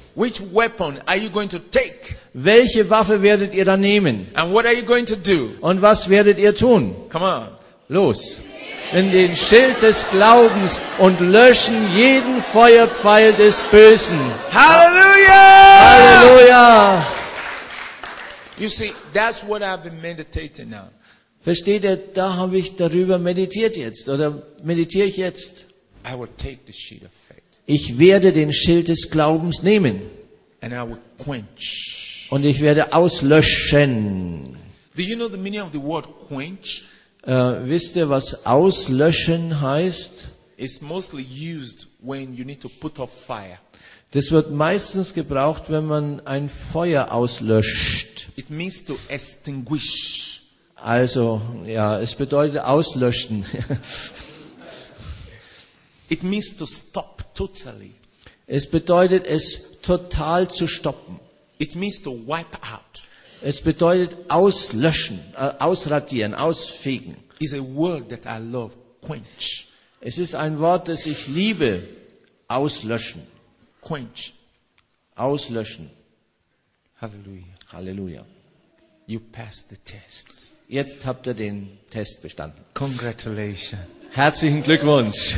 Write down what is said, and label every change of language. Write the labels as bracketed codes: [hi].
[en] which weapon are you going to take? [de] Welche Waffe werdet ihr dann nehmen? [en] And what are you going to do? [de] Und was werdet ihr tun? [en] Come on. [de] Los! In den Schild des Glaubens und löschen jeden Feuerpfeil des Bösen. Halleluja! Halleluja! [en] You see, that's what I've been meditating on. [de] Versteht ihr, da habe ich darüber meditiert jetzt, oder meditiere ich jetzt? [en] I will take the shield of faith. [de] Ich werde den Schild des Glaubens nehmen. [en] And I will quench. [de] Und ich werde auslöschen. [en] Do you know the meaning of the word quench? [de] Wisst ihr, was auslöschen heißt? [en] It's mostly used when you need to put off fire. [de] Das wird meistens gebraucht, wenn man ein Feuer auslöscht. [en] It means to extinguish. [de] Also, ja, es bedeutet auslöschen. [en] It means to stop totally. [de] Es bedeutet, es total zu stoppen. [en] It means to wipe out. [de] Es bedeutet auslöschen, ausradieren, ausfegen. [en] It's a word that I love, quench. [de] Es ist ein Wort, das ich liebe, auslöschen. [en] Quench. [de] Auslöschen. Halleluja. Halleluja. [en] You passed the tests. [de] Jetzt habt ihr den Test bestanden. [en] Congratulations. [de] Herzlichen Glückwunsch.